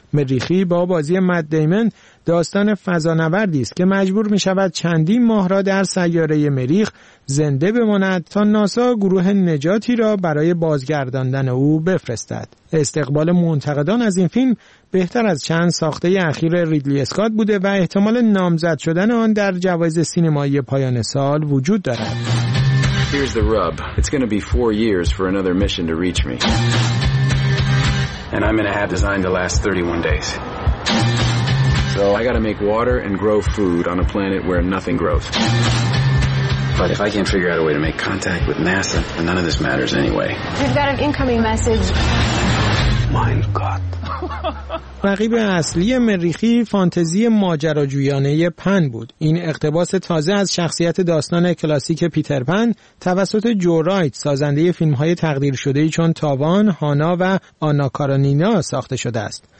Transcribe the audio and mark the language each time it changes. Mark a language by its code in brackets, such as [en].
[fa] مریخی با بازی مت دیمن داستان فضانوردی است که مجبور می شود چندین ماه را در سیاره مریخ زنده بماند تا ناسا گروه نجاتی را برای بازگرداندن او بفرستد. استقبال منتقدان از این فیلم بهتر از چند ساخته اخیر ریدلی اسکات بوده و احتمال نامزد شدن آن در جوایز سینمایی پایان سال وجود دارد. [en] Here's the rub. It's going to be 4 years for another mission to reach me. And I'm going to have designed to last 31 days. So I got to make water and grow food on a planet where nothing grows. But if I can't figure out a way to make contact with NASA, then none of this matters anyway. We've got an incoming message. My God. [fa] رقیب اصلی مریخی فانتزی ماجراجویانه پن بود. این اقتباس تازه از شخصیت داستان کلاسیک پیتر پن توسط جو رایت، سازنده فیلم‌های تقدیر شده چون تاوان، هانا و آنا کارانینا ساخته شده است.